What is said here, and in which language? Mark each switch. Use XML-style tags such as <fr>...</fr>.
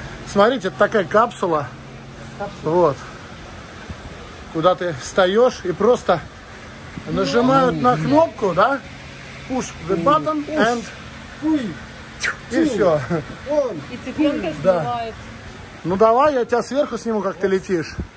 <ru>Смотрите, это такая капсула. Вот. Куда ты встаешь и просто нажимают на кнопку, да?</ru> <en>Push the button and</en> <ru>и все. И цыпленка снимает. Ну давай, я тебя сверху сниму, как ты летишь.</ru>